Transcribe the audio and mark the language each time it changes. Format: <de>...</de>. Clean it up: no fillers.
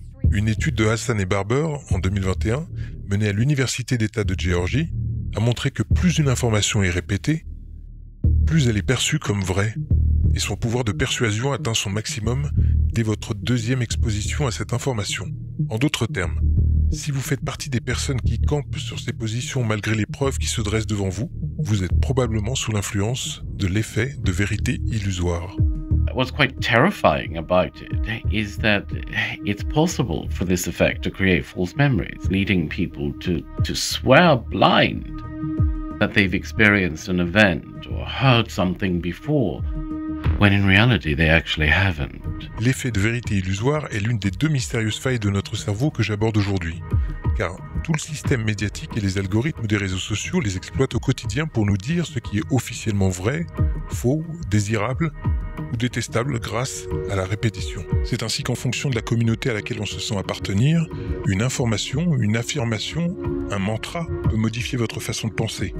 <fr>Une étude de Hassan et Barber en 2021, menée à l'Université d'État de Géorgie, a montré que plus une information est répétée, plus elle est perçue comme vraie, et son pouvoir de persuasion atteint son maximum dès votre deuxième exposition à cette information. En d'autres termes, si vous faites partie des personnes qui campent sur ces positions malgré les preuves qui se dressent devant vous, vous êtes probablement sous l'influence de l'effet de vérité illusoire.</fr> <en>What's quite terrifying about it is that it's possible for this effect to create false memories, leading people to swear blind that they've experienced an event or heard something before. When in reality, they actually haven't.</en> <fr>L'effet de vérité illusoire est l'une des deux mystérieuses failles de notre cerveau que j'aborde aujourd'hui. Car tout le système médiatique et les algorithmes des réseaux sociaux les exploitent au quotidien pour nous dire ce qui est officiellement vrai, faux, désirable, ou détestable grâce à la répétition. C'est ainsi qu'en fonction de la communauté à laquelle on se sent appartenir, une information, une affirmation, un mantra peut modifier votre façon de penser.</fr>